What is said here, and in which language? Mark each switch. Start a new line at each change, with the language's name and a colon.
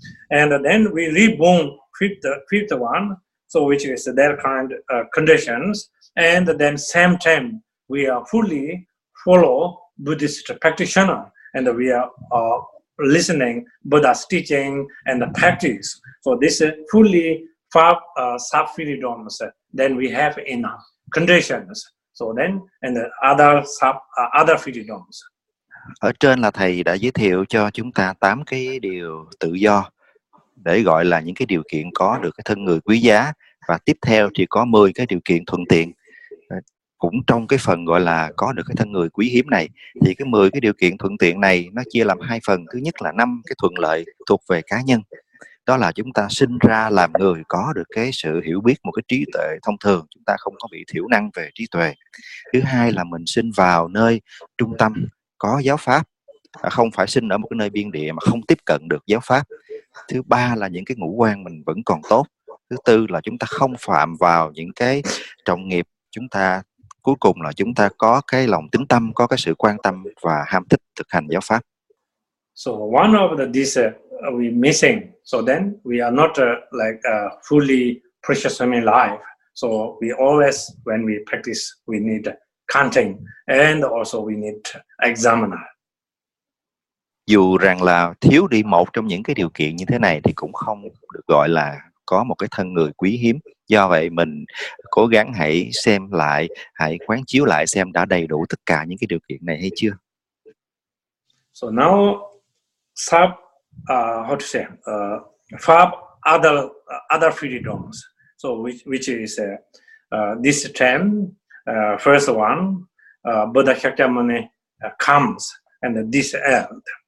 English: And then we reborn fifth one, so which is their kind conditions, and then same time we are fully follow Buddhist practitioner, and we are listening Buddha's teaching and the practice for this fully sub-freedoms, then we have enough conditions. So then, and the other sub, other freedoms.
Vietnamese: Ở trên là thầy đã giới thiệu cho chúng ta 8 cái điều tự do để gọi là những cái điều kiện có được cái thân người quý giá, và tiếp theo thì có 10 cái điều kiện thuận tiện. Cũng trong cái phần gọi là có được cái thân người quý hiếm này, thì cái 10 cái điều kiện thuận tiện này nó chia làm hai phần. Thứ nhất là 5 cái thuận lợi thuộc về cá nhân. Đó là chúng ta sinh ra làm người có được cái sự hiểu biết, một cái trí tuệ thông thường, chúng ta không có bị thiểu năng về trí tuệ. Thứ hai là mình sinh vào nơi trung tâm có giáo pháp, không phải sinh ở một cái nơi biên địa mà không tiếp cận được giáo pháp. Thứ ba là những cái ngũ quan mình vẫn còn tốt. Thứ tư là chúng ta không phạm vào những cái trọng nghiệp. Chúng ta cuối cùng là chúng ta có cái lòng tín tâm, có cái sự quan tâm và ham thích thực hành giáo pháp.
English: So one of the these we missing. So then we are not like a fully precious human life. So we always when we practice we need counting and also we need examiner.
Vietnamese: Dù rằng là thiếu đi một trong những cái điều kiện như thế này thì cũng không được gọi là có một cái thân người quý hiếm. Do vậy mình cố gắng hãy xem lại, hãy quán chiếu lại xem đã đầy đủ tất cả những cái điều kiện này hay chưa.
English: So now sub how to say five other other freedoms. So which is this term, first one, Buddha Shakyamuni comes and this end.